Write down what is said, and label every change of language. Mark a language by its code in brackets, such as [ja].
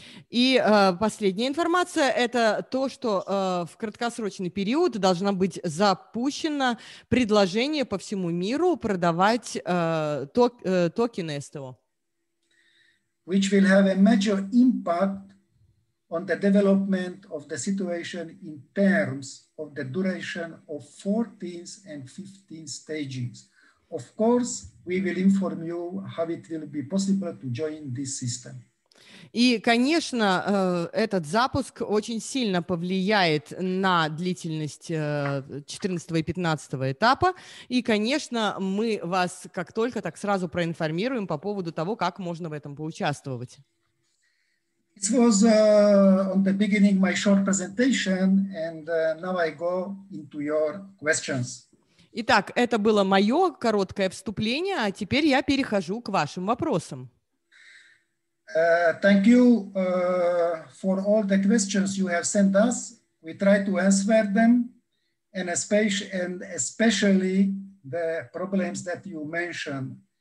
[ru] И последняя информация – это то, что в краткосрочный период должна быть запущена предложение по всему миру продавать токены STO. [en] Which will have a major impact on the development of the situation in terms of the duration of 14th and 15th stages. Of course, we will inform you how it will be possible to join this system. [ru] И, конечно, этот запуск очень сильно повлияет на длительность 14 и 15 этапа. И, конечно, мы вас как только так сразу проинформируем по поводу того, как можно в этом поучаствовать. [en] This was on the beginning my short presentation, and now I go into your questions. [ru] Итак, это было мое короткое вступление, а теперь я перехожу к вашим вопросам. [en] Thank you for all the questions you have sent us. We try to answer them, and especially the problems that you mentioned.